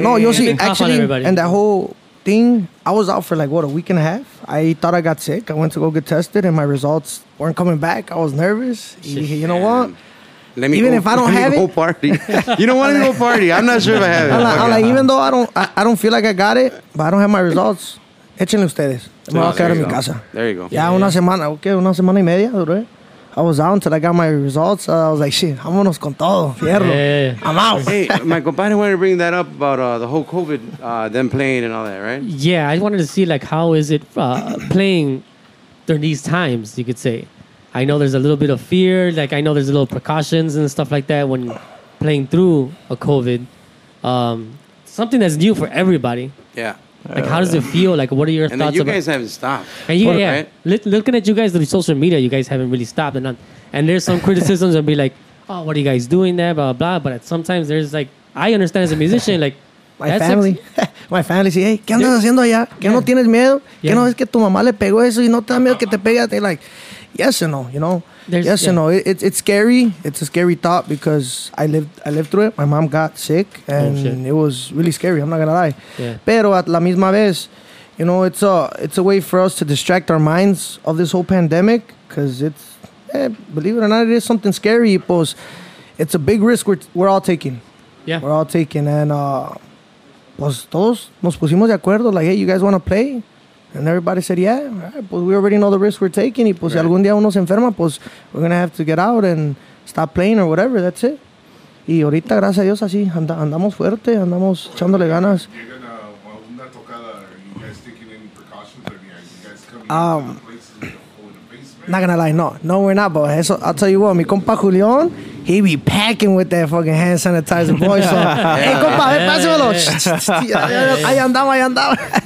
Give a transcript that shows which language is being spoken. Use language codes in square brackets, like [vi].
[es] No, yo sí, [en] actually, and the whole thing, I was out for like what, a week and a half. I thought I got sick. I went to go get tested and my results weren't coming back. I was nervous. [es] Dije, [en] you know what? Let me even go, if I don't let have go it. Party. You don't want to go party. I'm not sure if I have it. I'm like, even though I don't feel like I got it, but I don't have my results. [es] Échenle ustedes. Me voy a quedar en mi casa. [en] There you go. [es] Ya una semana, okay, una semana y media, duré. [en] I was out until I got my results. I was like, shit, [es] vámonos con todo. [en] Fierro. Yeah. I'm out. Hey, my companion wanted to bring that up about the whole COVID, them playing and all that, right? Yeah, I wanted to see, like, how is it playing during these times, you could say. I know there's a little bit of fear. Like, I know there's a little precautions and stuff like that when playing through a COVID. Something that's new for everybody. Yeah. Like, how does it feel? Like, what are your and thoughts? And you about? Guys haven't stopped. And yeah, yeah. Right? Looking at you guys through social media, you guys haven't really stopped. And there's some criticisms and be like, oh, what are you guys doing there? Blah, blah, blah. But sometimes there's like, I understand as a musician, like, my family. [es] My family say, hey, ¿qué andas haciendo allá? ¿Qué no tienes miedo? ¿Qué no es que tu mamá le pegó eso y no te da miedo que te pegue? [en] They're like, yes and no, you know? There's, yes and no. It's scary. It's a scary thought because I lived through it. My mom got sick and it was really scary. I'm not going to lie. Yeah. [es] Pero [en] at [es] la misma vez, [en] you know, it's a way for us to distract our minds of this whole pandemic because it's, believe it or not, it is something scary. Pues, it's a big risk we're all taking. Yeah. We're all taking. And [es] pues todos nos pusimos de acuerdo. [en] Like, hey, you guys want to play? And everybody said, yeah, right, but we already know the risk we're taking. [es] Y pues si algún día uno se enferma, pues [en] we're going to have to get out and stop playing or whatever. That's it. [es] Y ahorita, gracias a Dios, así andamos fuerte, andamos echándole ganas. [en] Are you going to, well, [es] una tocada, [en] are you guys taking any precautions? Are you guys coming not gonna lie, no, we're not, but [es] eso, [en] I'll tell you what, [es] mi compa Julián, [en] he be packing with that fucking hand sanitizer, boy, so, hey, [es] compa, ven, pásamelo, ahí andamos.